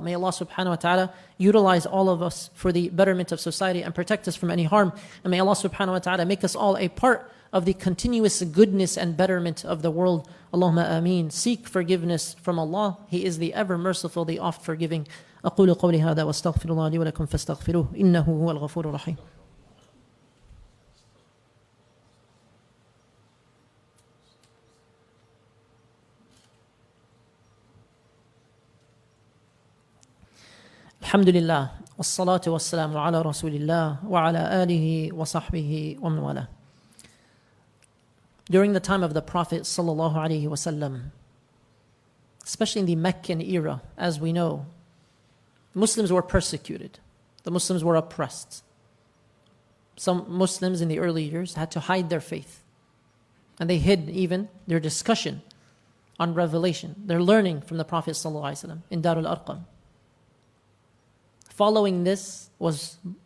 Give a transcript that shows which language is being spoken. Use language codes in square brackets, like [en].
[en] May Allah subhanahu wa ta'ala utilize all of us for the betterment of society and protect us from any harm. And may Allah subhanahu wa ta'ala make us all a part of the continuous goodness and betterment of the world. Allahumma ameen. Seek forgiveness from Allah. He is the ever merciful, the oft forgiving. [ar] أقول قولي هذا واستغفر الله لي ولكم فاستغفروه إنه هو الغفور الرحيم. الحمد لله والصلاة والسلام على رسول الله وعلى آله وصحبه ومن والاه. [en] During the time of the Prophet صلى الله عليه وسلم, especially in the Meccan era, as we know, Muslims were persecuted. The Muslims were oppressed. Some Muslims in the early years had to hide their faith, and they hid even their discussion on revelation, their learning from the Prophet ﷺ in Darul Arqam. Following this was